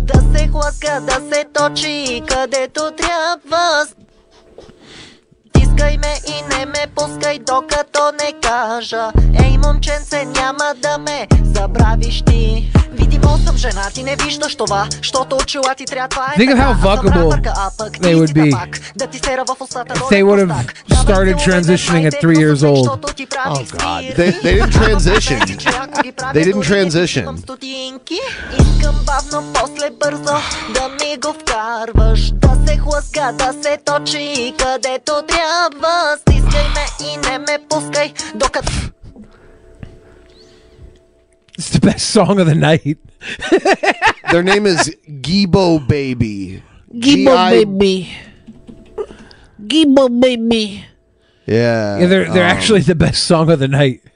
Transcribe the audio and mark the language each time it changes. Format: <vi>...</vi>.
<bg>Да се хлъзга, да се точи където трябва. Пускай ме и не ме пускай, докато не кажа. Ей, момченце, няма да ме забравиш ти. Видимо съм жена, ти не виждаш това, щото очила ти трябва, това е така.</bg> <en>Think of how fuckable they would be if they would have started transitioning at 3 years old. Oh God, they didn't transition. They didn't transition.</en> <bg>Искам бавно, после бързо да ми го вкарваш. Да се хлъзга, да се точи където трябва.</bg> <en>It's the best song of the night. Their name is Gibo Baby. Gibo Baby. Gibo Baby. Yeah. They're actually the best song of the night.</en>